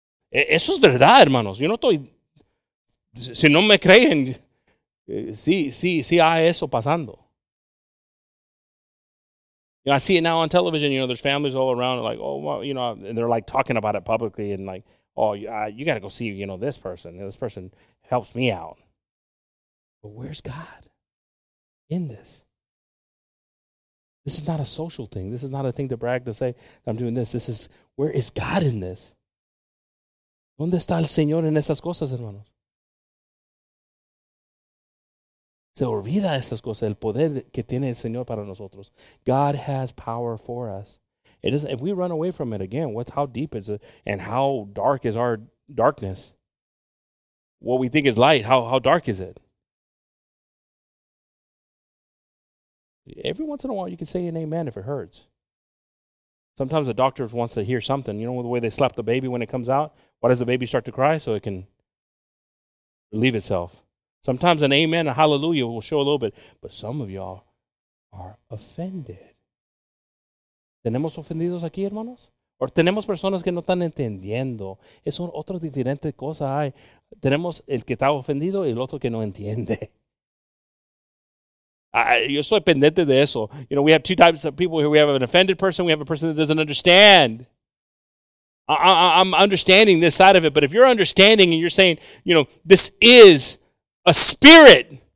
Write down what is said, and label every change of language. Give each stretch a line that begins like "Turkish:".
Spanish: Eso es verdad, hermanos. Yo no estoy, si no me creen, sí hay eso pasando.
English: You know, I see it now on television, you know, there's families all around, like, oh, well, you know, and they're like talking about it publicly and like, oh, you got to go see, you know, this person. This person helps me out. But where's God in this? This is not a social thing. This is not a thing to brag to say, I'm doing this. This is, where is God in this?
Spanish: ¿Dónde está el Señor en esas cosas, hermanos? Se olvida esas cosas, el poder que tiene el Señor para nosotros.
English: God has power for us. It is, if we run away from it again, what's, how deep is it and how dark is our darkness? What we think is light, how dark is it? Every once in a while, you can say an amen if it hurts. Sometimes the doctor wants to hear something. You know the way they slap the baby when it comes out? Why does the baby start to cry? So it can relieve itself. Sometimes an amen, a hallelujah will show a little bit. But some of y'all are offended.
Spanish: ¿Tenemos ofendidos aquí, hermanos? ¿O tenemos personas que no están entendiendo? Es otra diferente cosa. Hay. Tenemos el que está ofendido y el otro que no entiende. Yo soy pendiente de eso.
English: You know, we have two types of people here. We have an offended person. We have a person that doesn't understand. I'm understanding this side of it. But if you're understanding and you're saying, you know, this is a spirit.